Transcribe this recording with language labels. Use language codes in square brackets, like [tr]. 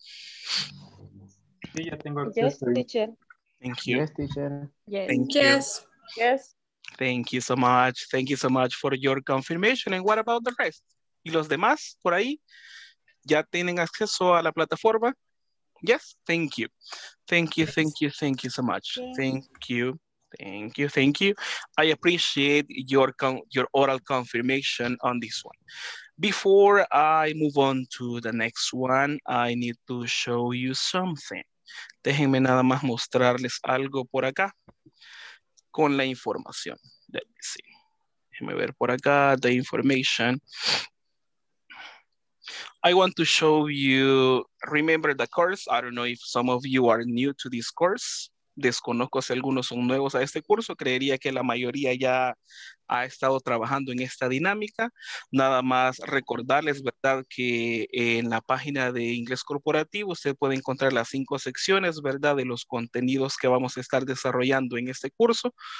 [es] Sí, ya tengo acceso. [en] Yes, teacher. Thank you. Yes, teacher. Yes. Thank You. Yes. Yes. Thank you so much. Thank you so much for your confirmation. And what about the rest? [es] ¿Y los demás por ahí ya tienen acceso a la plataforma? [en] Yes, thank you. Thank you, thank you, thank you so much. Thank you. Thank you, thank you. I appreciate your oral confirmation on this one. Before I move on to the next one, I need to show you something. [es] Déjenme nada más mostrarles algo por acá. Con la información. [en] Let me see. [es] Déjeme ver por acá [en] the information. I want to show you, remember the course. I don't know if some of you are new to this course. [es] Desconozco si algunos son nuevos a este curso. Creería que la mayoría ya ha estado trabajando en esta dinámica. Nada más recordarles, ¿verdad?, que en la página de Inglés Corporativo usted puede encontrar las 5 secciones, ¿verdad?, de los contenidos que vamos a estar desarrollando en este curso.